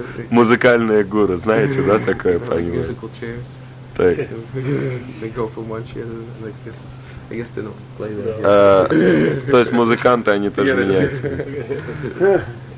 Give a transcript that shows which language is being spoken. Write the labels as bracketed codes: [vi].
[ru] Музыкальные гуру, знаете, да, такое понятие. [en] Musical chairs. [ru] Так. [en] They go from one chair to the next. I guess they don't play that. [ru] То есть музыканты, они тоже меняются.